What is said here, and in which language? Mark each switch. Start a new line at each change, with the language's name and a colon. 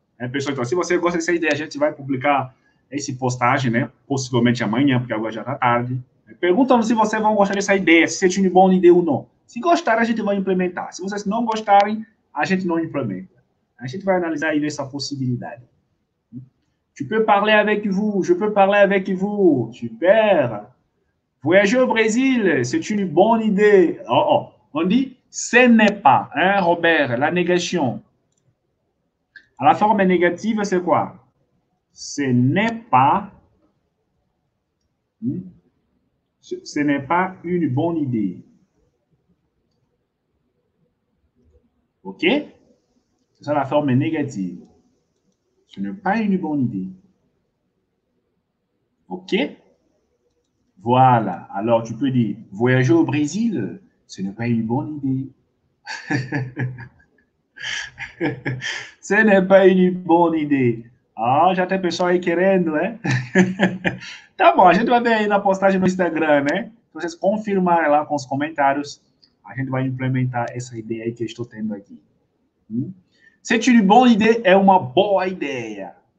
Portuguese: Né, pessoal, então, se você gosta dessa ideia, a gente vai publicar esse postagem, né? Possivelmente amanhã, porque agora já tá tarde. Perguntando se vocês vão gostar dessa ideia, se vocês tinham uma boa ideia ou não. Se gostarem, a gente vai implementar. Se vocês não gostarem, a gente não implementa. A gente vai analisar aí essa possibilidade.
French: Tu peux parler avec vous? Je peux parler avec vous? Super! Voyager au Brésil, c'est une bonne idée. Oh. On dit ce n'est pas, hein, Robert, la négation. À la forme négative, c'est quoi? Ce n'est pas, ce n'est pas une bonne idée. OK? C'est ça la forme négative. Ce n'est pas une bonne idée. OK? Voilà. Alors, tu peux dire, voyager au Brésil, ce n'est pas une bonne idée. Ce n'est pas une bonne idée.
Portuguese: Ah, já tem pessoal aí querendo, né? Tá bom, a gente vai ver aí na postagem no Instagram, né? Se vocês confirmarem lá com os comentários, a gente vai implementar essa ideia aí que eu estou tendo aqui.
French: C'est une bonne idée,
Portuguese: é uma boa ideia.